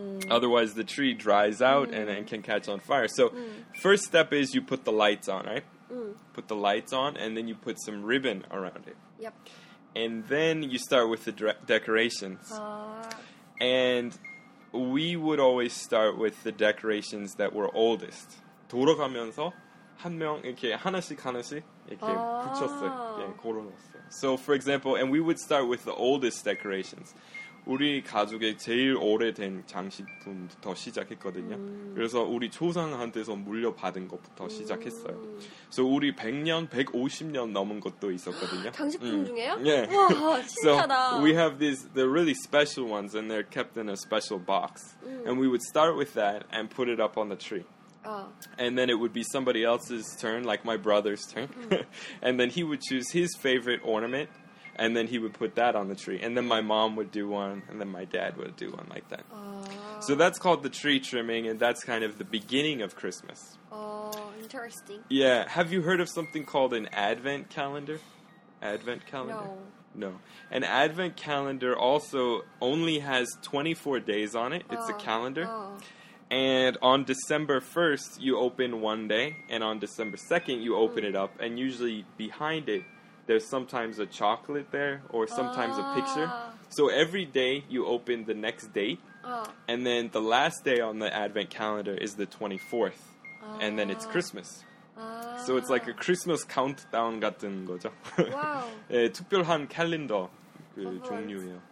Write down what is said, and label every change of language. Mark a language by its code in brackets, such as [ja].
[en] Otherwise, the tree dries out and can catch on fire. So first step is you put the lights on, right? Put the lights on, and then you put some ribbon around it. Yep. And then you start with the decorations. And we would always start with the decorations that were oldest. [ko] 돌아가면서 한 명 이렇게 하나씩 이렇게 붙였어요. 예, 걸어놨어요. [en] So for example, and we would start with the oldest decorations. [ko] 우리 가족의 제일 오래된 장식품부터 시작했거든요. 그래서 우리 조상한테서 물려받은 것부터 시작했어요. [en] So [ko] 우리 100년, 150년 넘은 것도 있었거든요. 장식품 중에요? 네. [en] Yeah. [ko] 와, 신기하다. [en] So we have these, they're really special ones, and they're kept in a special box. And we would start with that and put it up on the tree. And then it would be somebody else's turn, like my brother's turn. And then he would choose his favorite ornament. And then he would put that on the tree. And then my mom would do one. And then my dad would do one like that. So that's called the tree trimming. And that's kind of the beginning of Christmas. Interesting. Yeah. Have you heard of something called an advent calendar? Advent calendar? No. An advent calendar also only has 24 days on it. It's a calendar. And on December 1st, you open one day. And on December 2nd, you open it up. And usually behind it, there's sometimes a chocolate there or sometimes a picture. So every day you open the next date. And then the last day on the advent calendar is the 24th. And then it's Christmas. So it's like a Christmas countdown [ko] 같은 거죠. [en] Wow. [ko] 예, 특별한 캘린더 그 종류예요.